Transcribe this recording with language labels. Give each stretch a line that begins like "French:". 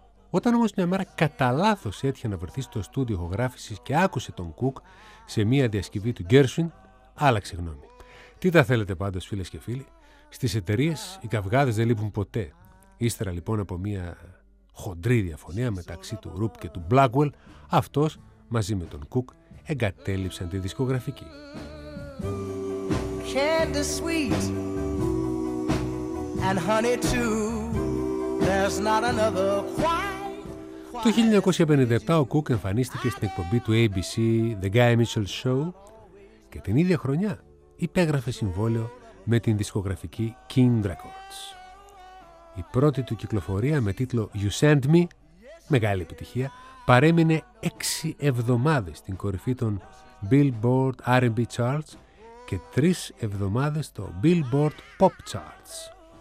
Greek: Όταν όμως μια μέρα κατά λάθος έτυχε να βρεθεί στο στούντιο ηχογράφησης και άκουσε τον Κουκ σε μια διασκευή του Gershwin, άλλαξε γνώμη. Τι τα θέλετε πάντως, φίλες και φίλοι, στις εταιρείες οι καυγάδες δεν λείπουν ποτέ. Ύστερα λοιπόν από μια χοντρή διαφωνία μεταξύ του Ρουπ και του Blackwell, αυτός μαζί με τον Cook εγκατέλειψαν τη δισκογραφική.
English: Candy sweet and honey too. There's not another quiet.
Greek: Το 1957 ο Cook εμφανίστηκε στην εκπομπή του ABC The Guy Mitchell Show και την ίδια χρονιά υπέγραφε συμβόλαιο με την δισκογραφική King Records. Η πρώτη του κυκλοφορία με τίτλο You Send Me, μεγάλη επιτυχία, παρέμεινε 6 εβδομάδες στην κορυφή των Billboard R&B Charts και 3 εβδομάδες στο Billboard Pop Charts.